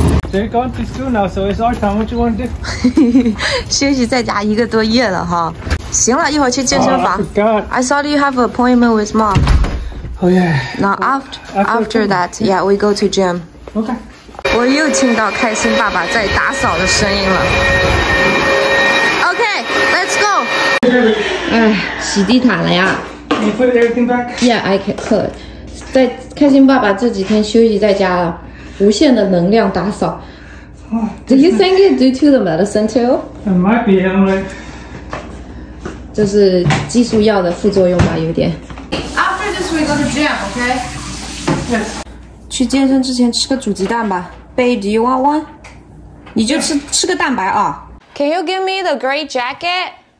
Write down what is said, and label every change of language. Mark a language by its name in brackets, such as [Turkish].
[English] They're going to school now, so it's our time. What you want to do? [Chinese] 休息在家一个多月了哈。行了，一会儿去健身房。 [English] Oh, I thought you have an appointment with mom. Oh yeah. Now after that, yeah, we go to gym. Okay. [Chinese] 我又听到开心爸爸在打扫的声音了。 [English] Okay, let's go. [Chinese] 哎，洗地毯了呀。 [English] You put everything back? Yeah, I can put. [Chinese] 在开心爸爸这几天休息在家了。无限的能量打扫。 [English] Oh, do you think it due to the medicine too? It might be, I don't know. [Chinese] 这是激素药的副作用吧，有点。 [English] After this, we go to gym, okay? Yes. [Chinese] 去健身之前吃个煮鸡蛋吧。 [English] Babe, do you want one? [Chinese] 你就吃、yes. 吃个蛋白啊。 [English] Can you give me the gray jacket?